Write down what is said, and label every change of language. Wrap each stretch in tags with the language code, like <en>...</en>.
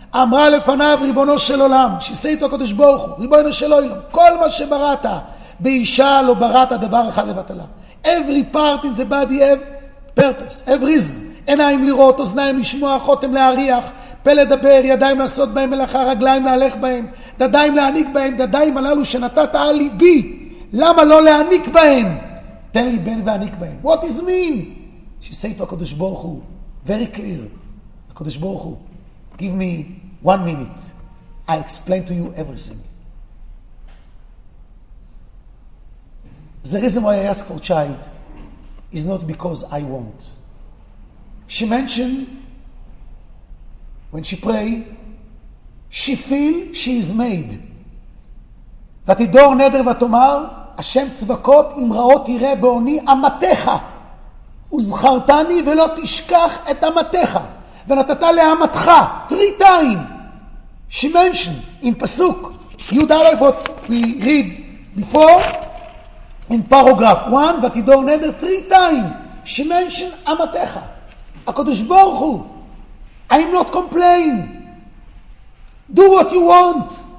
<he>אמרה לפניו ריבונו של עולם, שישאי איתו הקדוש ברוך הוא, ריבונו של עולם, כל מה שבראת באישה לא בראת דבר אחד לבטלה.</he> <en>Every part in the body have purpose, every reason.</en> <he>עיניים לראות, אוזניים לשמוע, חותם להריח, פה לדבר, ידיים לעשות בהם מלאכה, רגליים להלך בהם, דדיים להעניק בהם, דדיים הללו שנתת על ליבי. למה לא להעניק בהם? תן לי בן ועניק בהם.</he> <en>What is mean? She said to HaKadosh Baruch Hu, very clear, HaKadosh Baruch Hu, give me 1 minute, I explain to you everything. The reason why I ask for child is not because I want. She mentioned, when she pray, she feel she is made.</en> <he>ותדור נדר ותאמר, השם צבקות אם ראות יראה בעוני אמתך. וזכרתני ולא תשכח את אמתך ונתת לאמתך</he> <en>3 times. She mentioned in פסוק י' what we read before in paragraph 1 that you don't enter 3 times. She mentioned אמתך. הקדוש ברוך הוא, I'm not complain, do what you want.</en>